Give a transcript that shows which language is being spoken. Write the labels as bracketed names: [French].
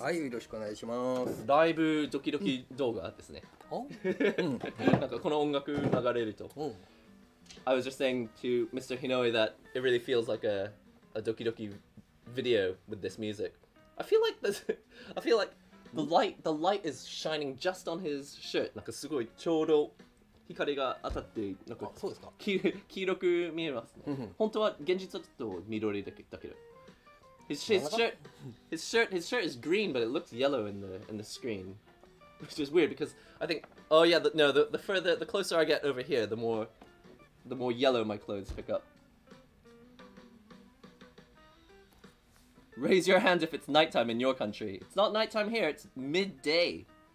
[Japanese] はい、よろしくお願いします。ライブドキドキ動画ですね。お、うん。なんかこの音楽流れると。うん。 [English] I was just saying to Mr. Hinoe that it really feels like a Doki Doki video with this music. I feel like the light is shining just on his shirt. [Japanese] なんかすごいちょうど光が当たって、なんかあ、そうですか。黄色く見えますね。本当は現実はちょっと緑だけど。 [English] His [Japanese] なんだ？ [English] shirt is green, but it looks yellow in the screen. which is weird because I think, oh yeah, the closer I get over here, the more yellow my clothes pick up. Raise your hand if it's nighttime in your country. It's not nighttime here, it's midday.